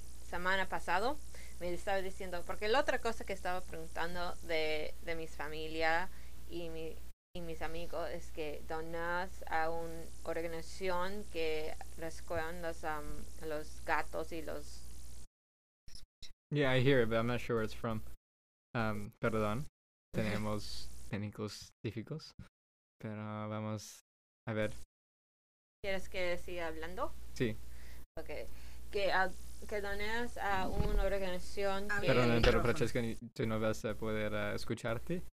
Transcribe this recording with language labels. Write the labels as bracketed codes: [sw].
[es] semana pasado me estaba diciendo, porque la otra cosa que estaba preguntando de mi familia y mis amigos es que donas a una organización que rescuen los gatos y los... [en] Yeah, I hear it, but I'm not sure where it's from. [es] Perdón, tenemos técnicos difíciles, pero vamos a ver. ¿Quieres que siga hablando? Sí. Ok. Que donas a una organización que... Perdón, pero Francesca, tú no vas a poder escucharte.